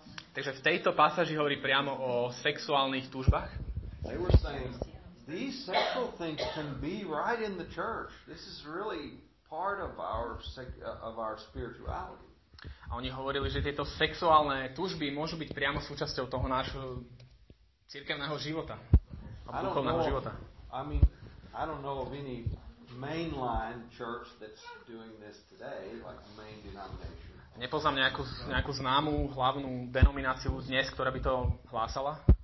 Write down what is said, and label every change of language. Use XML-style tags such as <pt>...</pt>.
<sk>Takže v tejto pasáži hovorí priamo o sexuálnych túžbách.</sk> <en>They were saying these sexual things can be right in the church. This is really part of our spirituality.</en> <sk>A oni hovorili, že tieto sexuálne túžby môžu byť priamo súčasťou toho nášho cirkevného života. Duchovného života.</sk> <en>I mean, I don't know of any mainline church that's doing this today, like main denomination.</en> <sk>Nepoznám nejakú známu hlavnú denomináciu dnes, ktorá by to hlásala.</sk>